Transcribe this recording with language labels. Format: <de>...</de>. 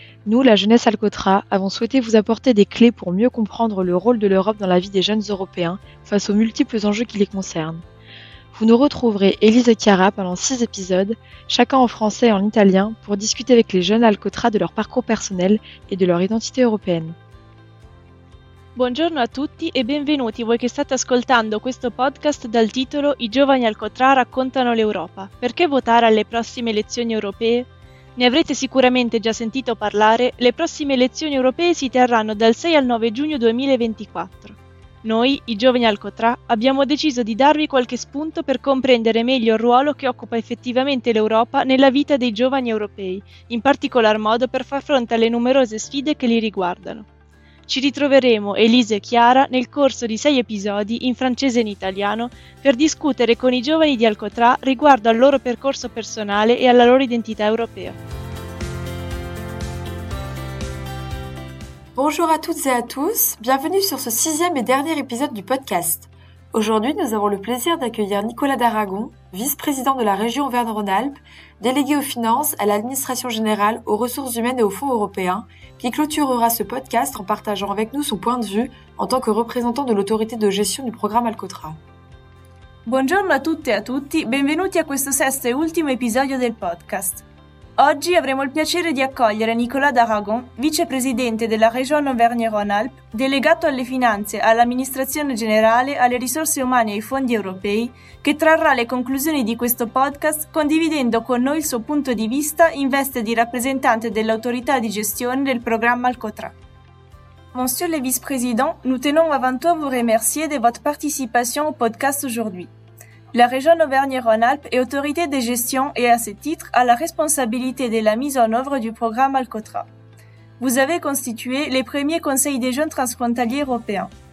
<fr>Nous, La Jeunesse Alcotra, avons souhaité vous apporter des clés pour mieux comprendre le rôle de l'Europe dans la vie des jeunes européens face aux multiples enjeux qui les concernent. Vous nous retrouverez Élise et Chiara pendant 6 épisodes, chacun en français et en italien, pour discuter avec les jeunes Alcotra de leur parcours personnel et de leur identité européenne.</fr> <it>Buongiorno a tutti e benvenuti voi che state ascoltando questo podcast dal titolo I giovani Alcotra raccontano l'Europa. Perché votare alle prossime elezioni europee? Ne avrete sicuramente già sentito parlare, le prossime elezioni europee si terranno dal 6 al 9 giugno 2024. Noi, i giovani Alcotra, abbiamo deciso di darvi qualche spunto per comprendere meglio il ruolo che occupa effettivamente l'Europa nella vita dei giovani europei, in particolar modo per far fronte alle numerose sfide che li riguardano. Ci ritroveremo, Elise e Chiara, nel corso di 6 episodi, in francese e in italiano, per discutere con i giovani di Alcotra riguardo al loro percorso personale e alla loro identità europea.</it> <fr>Bonjour à toutes et à tous, bienvenue sur ce 6e et dernier épisode du podcast. Aujourd'hui, nous avons le plaisir d'accueillir Nicolas d'Aragon, vice-président de la région Auvergne-Rhône-Alpes, délégué aux finances, à l'administration générale, aux ressources humaines et aux fonds européens, qui clôturera ce podcast en partageant avec nous son point de vue en tant que représentant de l'autorité de gestion du programme Alcotra.</fr> <it>Buongiorno a tutte e a tutti, benvenuti a questo sesto e ultimo episodio del podcast. Oggi avremo il piacere di accogliere Nicolas d'Aragon, vicepresidente della Regione Auvergne-Rhône-Alpes, delegato alle finanze, all'amministrazione generale, alle risorse umane e ai fondi europei, che trarrà le conclusioni di questo podcast condividendo con noi il suo punto di vista in veste di rappresentante dell'autorità di gestione del programma Alcotra.</it> <fr>Monsieur le vice-président, nous tenons avant tout à vous remercier de votre participation au podcast aujourd'hui. La région Auvergne-Rhône-Alpes est autorité de gestion et à ce titre a la responsabilité de la mise en œuvre du programme Alcotra. Vous avez constitué les premiers conseils des jeunes transfrontaliers européens.</fr>